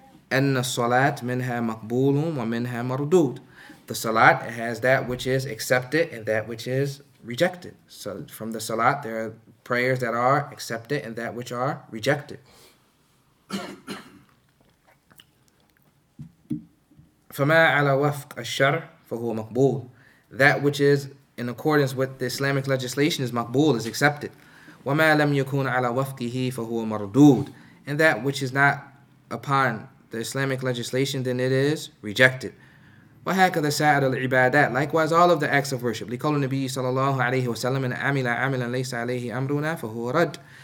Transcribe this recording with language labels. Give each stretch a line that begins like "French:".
Arabic: أن الصلاة منها مقبول ومنها مردود.
English: The salat, it has that which is accepted and that which is rejected. So from the salat, there are prayers that are accepted and that which are rejected.
Arabic: فما على وفق الشرع فهو مقبول.
English: That which is in accordance with the Islamic legislation is مقبول, is accepted.
Arabic: وما لم يكون على وفقه فهو مردود.
English: And that which is not upon the Islamic legislation, then it is rejected.
Arabic: وهكذا سائر العبادات.
English: Likewise, all of the acts of worship.
Arabic: لقول النبي صلى الله عليه وسلم من عمل عملا ليس عليه أمرنا فهو رد.